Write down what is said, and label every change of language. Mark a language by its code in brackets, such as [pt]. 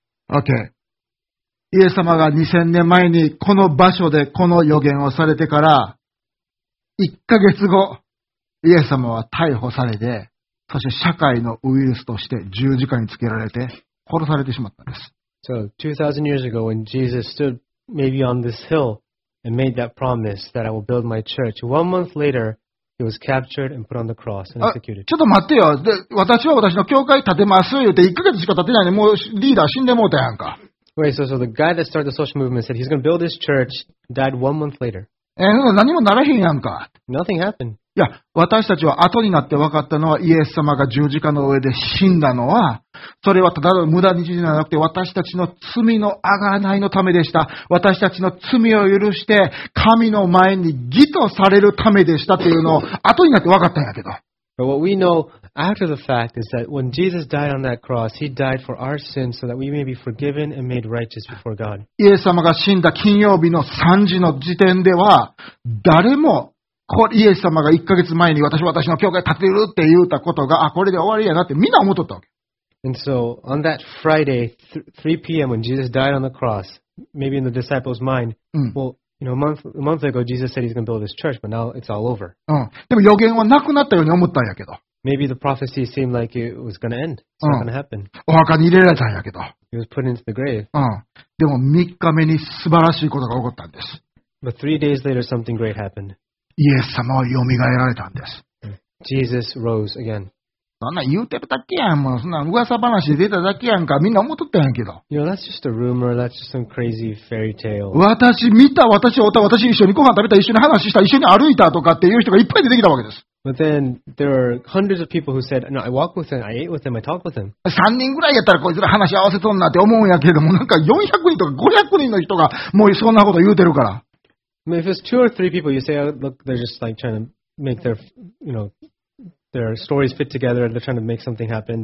[ja] OK、イエス様が2000年前にこの場所でこの予言をされてから1ヶ月後、イエス様は逮捕されて、そして社会のウイルスとして十字架につけられて殺されてしまったんです。 [en] So 2000 years ago when Jesus stood maybe on this hill and made that promise that I will build my church. 1 month later, he was captured and put on the cross and executed. [ja] ちょっと待ってよ。で、私は私の教会建てます言って1ヶ月しか建てないのにもうリーダー死んでもうたやんか。 [en] Wait, so the guy that started the social movement said he's going to build his church, died 1 month later. [ja] 何もならへんやんか。 [en] Nothing happened. [ja] いや、私たちは後になって分かったのはイエス様が十字架の上で死んだのは、それはただの無駄に死んではなくて私たちの罪の贖いのためでした。私たちの罪を許して神の前に義とされるためでしたというのを後になって分かったんやけど。 [en] But what we know after the fact is that when Jesus died on that cross, he died for our sins so that we may be forgiven and made righteous before God. [ja] イエス様が死んだ金曜日の3時の時点では、誰もイエス様が1ヶ月前に私の教会建てるって言ったことが、あ、これで終わりやなってみんな思っとったわけ。 [en] And so, on that Friday, 3 p.m. when Jesus died on the cross, maybe in the disciples' mind, well,You know, a month ago, Jesus said he's going to build his church, but now it's all over. [ja] でも予言はなくなったように思ったんやけど。 [en] Maybe the prophecy seemed like it was going to end. It's not going to happen. [ja] お墓に入れられたんやけど。 [en] He was put into the grave. [ja] でも3日目に素晴らしいことが起こったんです。 [en] But 3 days later, something great happened. [ja] イエス様はよみがえられたんです。 [en] Jesus rose again. [ja] そんな言うてるだけやん、もうそんな噂話で出ただけやんか、みんな思っとったやんけど。 [en] You know, that's just a rumor, that's just some crazy fairy tale. [ja] 私見た、私おった、私一緒にご飯食べた、一緒に話した、一緒に歩いたとかっていう人がいっぱい出てきたわけです。 [en] But then, there are hundreds of people who said, no, I walk with him, I ate with him, I talk with him. [ja] 3人ぐらいやったらこいつら話合わせとんなって思うんやけども、なんか400人とか500人の人がもうそんなこと言うてるから。 [en] I mean, if it's two or three people, you say, look, they're just like trying to make their, you know,Their stories fit together and they're trying to make something happen.